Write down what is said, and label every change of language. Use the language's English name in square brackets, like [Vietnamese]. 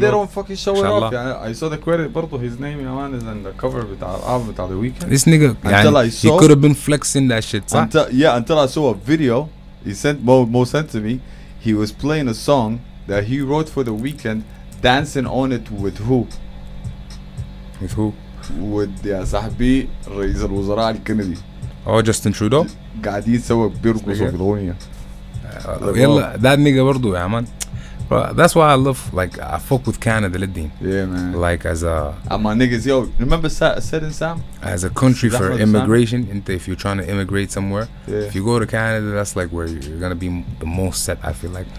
[English] they don't fucking show it off. I saw the credit برضو his name [Arabic] يا عمان [English] is on the cover [Arabic] بتاع الالبوم بتاع [English] The Weeknd. This nigga until I saw he could have been flexing that shit. Yeah, until I saw a video he sent Mo sent to me. He was playing a song that he wrote for The Weeknd dancing on it with who? With who? With [Arabic] يا صاحبي رئيس الوزراء الكندي. [English] Oh, Justin Trudeau. [Arabic] قاعدين سوا بيرقصوا في الغنية. يلا [English] that nigga [Arabic] برضو يا مان. [English] That's why I love like I fuck with Canada [Arabic] للدين. [English] Yeah man. Like as a. I'm a nigga. Yo, remember Sitting Sam? As a country for immigration, if you're trying to immigrate somewhere, yeah. If you go to Canada, that's like where you're gonna be the most set. I feel like.